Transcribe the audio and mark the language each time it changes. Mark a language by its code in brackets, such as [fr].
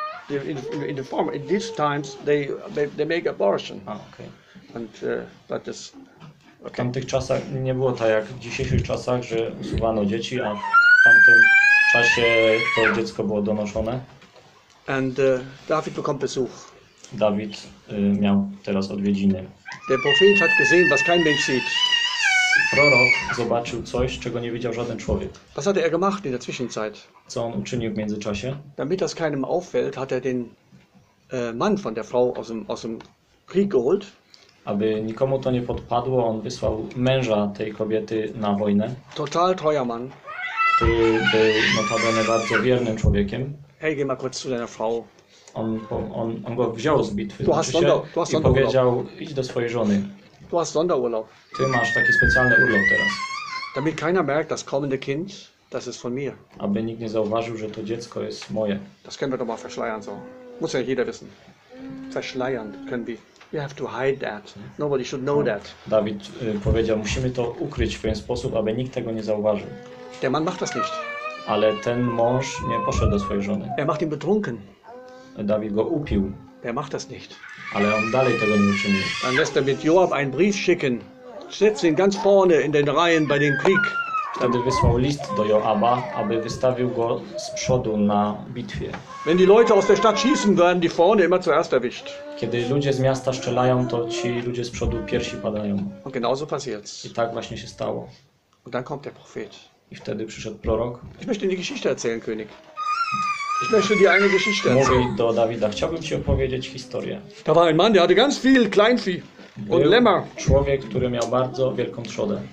[en] In the form, in these times, they make abortion. A, okay. And that is... [pl] Okay. W tamtych czasach nie było tak jak w dzisiejszych czasach, że usuwano dzieci, a w tamtym czasie to dziecko było donoszone. [de] And David bekommt Besuch. [pl] David miał teraz odwiedziny. [de] Der Prophet hat gesehen, was kein Mensch sieht. [pl] Prorok zobaczył coś, czego nie widział żaden człowiek. [de] Was hat er gemacht in der Zwischenzeit? [pl] Co on uczynił w międzyczasie? [de] Damit das keinem auffällt, hat er den Mann von der Frau aus dem Krieg geholt. [pl] Aby nikomu to nie podpadło, on wysłał męża tej kobiety na wojnę. [de] Total treuer Mann. [pl] Który był notabene bardzo wiernym człowiekiem. [de] Hey, geh mal kurz zu deiner Frau. [pl] On go wziął z bitwy. [de] Du hast Sonderurlaub. [pl] I powiedział, idź do swojej żony. [de] Du hast Sonderurlaub. [pl] Ty masz taki specjalny urlop teraz. [de] Damit keiner merkt, das kommende Kind, das ist von mir. [pl] Aby nikt nie zauważył, że to dziecko jest moje. [de] Das können wir doch mal verschleiern so. Muss ja jeder wissen. Verschleiern können wir. [en] You have to hide that. Nobody should know that. [pl] David powiedział, musimy to ukryć w pewien sposób, aby nikt tego nie zauważył. [de] Der Mann macht das nicht. [pl] Ale ten mąż nie poszedł do swojej żony. [de] Er macht ihn betrunken. [pl] Dawid go upił. [de] Er macht das nicht. [pl] Ale on dalej tego nie uczynił. [de] Dann lässt er mit Joab einen Brief schicken. Setzt ihn ganz vorne in den Reihen bei dem Krieg. [pl] Wtedy wysłał list do Joaba, aby wystawił go z przodu na bitwie. [de] Wenn die Leute aus der Stadt schießen, werden die vorne immer zuerst erwischt. [pl] Kiedy ludzie z miasta strzelają, to ci ludzie z przodu pierwsi padają. [de] Und genauso passiert's. [pl] I tak właśnie się stało. [de] Und dann kommt der Prophet. [pl] I wtedy przyszedł prorok. [de] Ich möchte die Geschichte erzählen, König. Ich möchte dir eine Geschichte erzählen. [pl] Mówi do Dawida, chciałbym ci opowiedzieć historię. [de] Da war ein Mann, der hatte ganz viel Kleinvieh und Lämmer. [pl] Człowiek, który miał bardzo wielką trzodę.